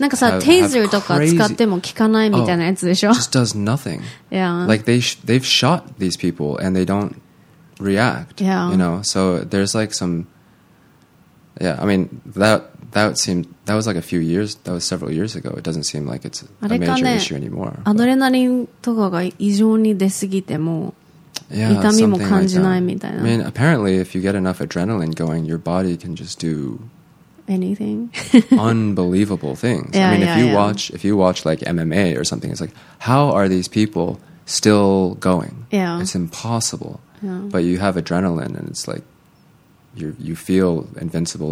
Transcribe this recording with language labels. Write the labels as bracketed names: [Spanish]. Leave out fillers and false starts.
[Japanese] なんかさ、taser とか使っても効かないみたいなやつでしょ? [English] Just does nothing. Yeah. Like they've shot these people and they don't react. Yeah. You know, so there's like some. Yeah, I mean, that was like a few years. That was several years ago. It doesn't seem like it's a major issue anymore. [Japanese] アドレナリンとかが異常に出すぎても。 [English] Yeah, [Japanese] 痛みも感じないみたいな。 [English] I mean, apparently, if you get enough adrenaline going, your body can just do anything. unbelievable things. Yeah, I mean, yeah, if you watch like MMA or something, it's like, how are these people still going? Yeah. It's impossible. Yeah. But you have adrenaline and it's like, you feel invincible.